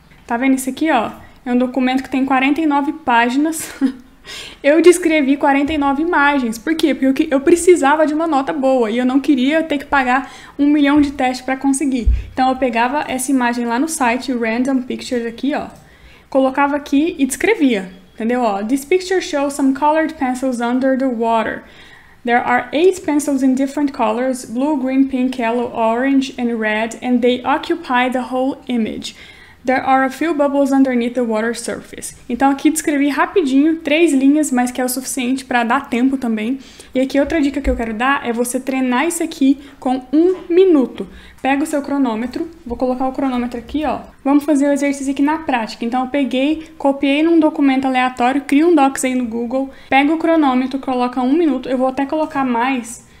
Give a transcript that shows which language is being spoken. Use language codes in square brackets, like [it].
[pt] Tá vendo isso aqui, ó? É um documento que tem 49 páginas. Eu descrevi 49 imagens. Por quê? Porque eu precisava de uma nota boa e eu não queria ter que pagar 1 milhão de testes para conseguir. Então eu pegava essa imagem lá no site, Random Pictures aqui, ó. Colocava aqui e descrevia. Entendeu? [en] Ó, this picture shows some colored pencils under the water. There are 8 pencils in different colors, blue, green, pink, yellow, orange and red, and they occupy the whole image. There are a few bubbles underneath the water surface. [pt] Então aqui descrevi rapidinho, 3 linhas, mas que é o suficiente para dar tempo também. E aqui outra dica que eu quero dar é você treinar isso aqui com 1 minuto. Pega o seu cronômetro, vou colocar o cronômetro aqui, ó. Vamos fazer o exercício aqui na prática. Então eu peguei, copiei num documento aleatório, crio um docs aí no Google, pega o cronômetro, coloca 1 minuto. Eu vou até colocar mais,